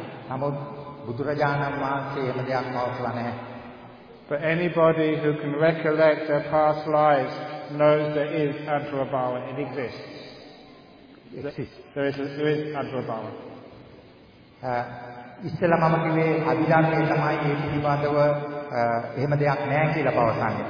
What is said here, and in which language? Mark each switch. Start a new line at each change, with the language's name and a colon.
Sinhala: නමුත් බුදුරජාණන් වහන්සේ එහෙම දෙයක් කවස්ලා නැහැ.
English: For anybody who can recollect their past lives knows there is antarbhava, it exists. There is antarbhava.
Sinhala: ඉස්සෙල්ලා මම කිව්වේ අභිධර්මයේ තමයි මේ පිළිබඳව එහෙම දෙයක් නැහැ කියලා පවසන්නේ.